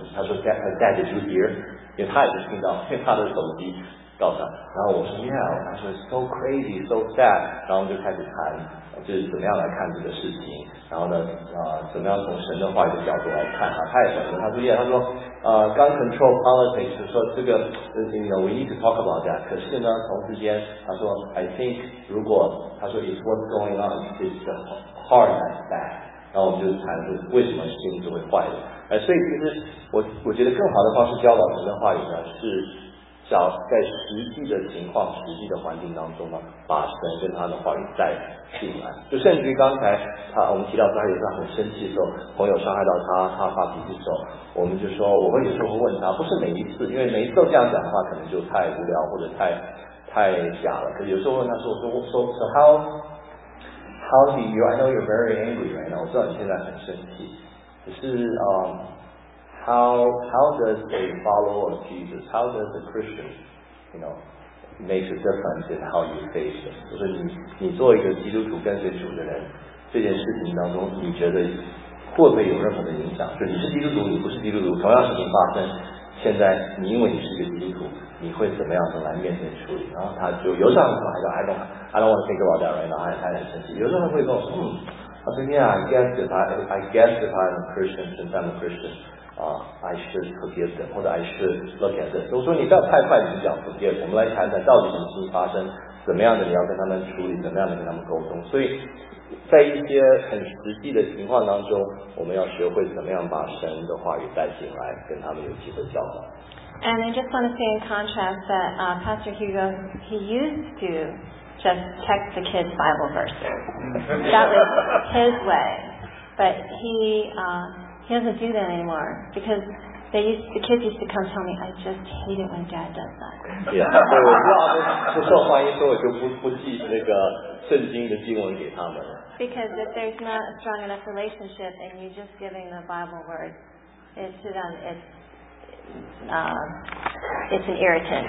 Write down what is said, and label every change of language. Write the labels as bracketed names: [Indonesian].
[Chinese] 他说 [English] Dad, did you hear? [Chinese] 因为他也是听到，因为他的手机告诉他。然后我说 Yeah, 他说 [English] So crazy, so sad. [Chinese] 然后我们就开始谈，就是怎么样来看这个事情，然后呢，怎么样从神的话语的角度来看他也想说，他说 Yeah, 他说。 [English] gun control politics [Chinese] 说这个 [English] you know, we need to talk about that. [Chinese] 可是呢，同时间他说 [English] I think [Chinese] 如果他说 [English] it's what's going on is the hard and bad. [Chinese] 然后我们就谈是为什么事情就会坏的。所以其实我觉得更好的方式教导神的话语呢，是找在实际的情况、实际的环境当中呢，把神跟他的话语带进来。就甚至于刚才我们提到他有时候很生气的时候，朋友伤害到他发脾气的时候。我们就说，我们有时候会问他，不是每一次，因为每一次都这样讲的话，可能就太无聊或者太假了。可有时候问他说，我说 [English] how do you? I know you're very angry right now. [Chinese] 我知道你现在很生气。可是 [English] how does a follower of Jesus, how does a Christian, you know, make a difference in how you face it? [Chinese] 就是你做一个基督徒跟随主的人，这件事情当中，你觉得？会不会有任何的影响？就你是基督徒，你不是基督徒，同样事情发生，现在你因为你是一个基督徒，你会怎么样的来面对处理？然后他就有时候还说 [English] I don't want to think about that right now， [Chinese] 他很生气。有时候会跟我说，他说 [English] Yeah， I guess if I'm a Christian， since I'm a Christian， I should forgive them， [Chinese] 或者 [English] I should look at this。 [Chinese] 我说你不要太快就讲 forgive， 我们来谈谈到底什么事情发生，怎么样的你要跟他们处理，怎么样的跟他们沟通。所以。在一些很实际的情况当中，我们要学会怎么样把神的话语带进来，跟他们有机会交流。 [English] And I just want to say in contrast that Pastor Hugo, he used to just check the kids' Bible verses. That was his way. But he doesn't do that anymore because the kids used to come tell me, I just hate it when Dad does that. [Chinese] Yeah, 我知道不受欢迎，所以我就不记那个圣经的经文给他们了。 [English] Because if there's not a strong enough relationship and you're just giving the Bible word to them, it's an irritant.